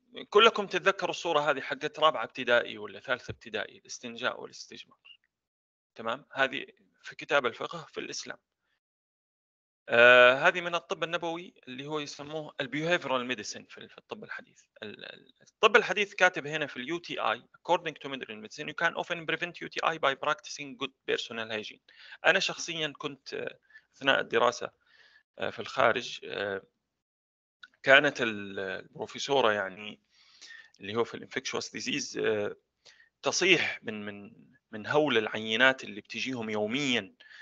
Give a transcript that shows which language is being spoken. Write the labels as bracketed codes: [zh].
[ar] كلكم تتذكروا الصورة هذه حقت رابعة ابتدائي ولا ثالثة ابتدائي، الاستنجاء والاستجمار، تمام؟ هذه في كتاب الفقه في الإسلام. هذه من الطب النبوي اللي هو يسموه البيهيفرال ميديسين في الطب الحديث. الطب الحديث كاتب هنا في اليو تي اي [en] according to modern medicine you can often prevent UTI by practicing good personal hygiene. [ar] انا شخصيا كنت اثناء الدراسة في الخارج كانت البروفيسورة يعني اللي هو في الانفكشوس ديزيز تصيح من من من هول العينات اللي بتجيهم يوميا